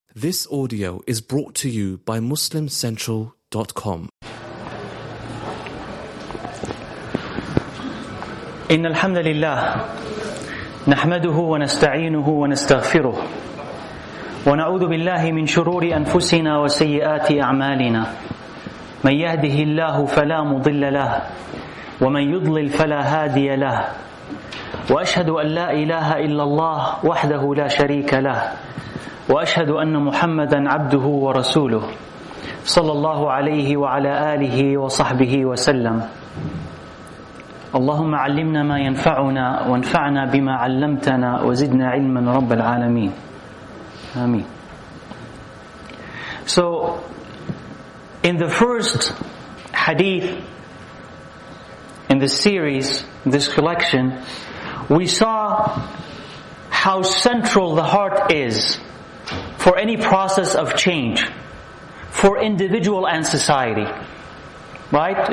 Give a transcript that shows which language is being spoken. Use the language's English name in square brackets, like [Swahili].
[English] This audio is brought to you by MuslimCentral.com. [Arabic] إن الحمد لله نحمده ونستعينه ونستغفره ونعوذ بالله من شرور أنفسنا وسيئات أعمالنا من يهده الله فلا مضل له ومن يضلل فلا هادي له وأشهد أن لا إله إلا الله وحده لا شريك له وأشهد أن محمدًا عبده ورسوله صلى الله عليه وعلى آله وصحبه وسلم اللهم علمنا ما ينفعنا وانفعنا بما علمتنا وزدنا علما رب العالمين آمين. [English] So in the first hadith in the series, this collection, we saw how central the heart is for any process of change, for individual and society. Right?